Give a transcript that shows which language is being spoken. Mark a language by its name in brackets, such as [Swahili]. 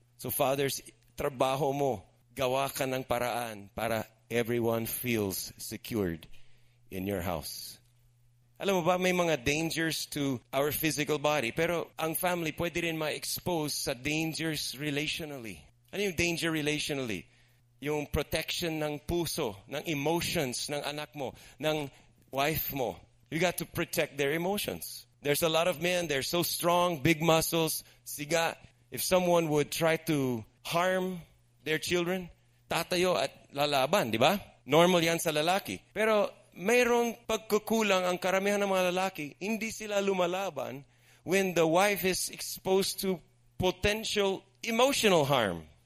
[English] So fathers, [Filipino] trabaho mo, gawa ka ng paraan para [English] everyone feels secured in your house. [Filipino] Alam mo ba, may mga dangers [English] to our physical body. [Filipino] Pero ang family pwede rin ma-expose sa dangers relationally. Ano yung danger relationally? Yung protection ng puso, ng emotions ng anak mo, ng wife mo. [English] You got to protect their emotions. There's a lot of men, they're so strong, big muscles, siga. If someone would try to harm their children, [Filipino] tatayo at lalaban, di ba? Normal yan sa lalaki. Pero mayroong pagkukulang ang karamihan ng mga lalaki, hindi sila lumalaban [English] when the wife is exposed to potential emotional harm.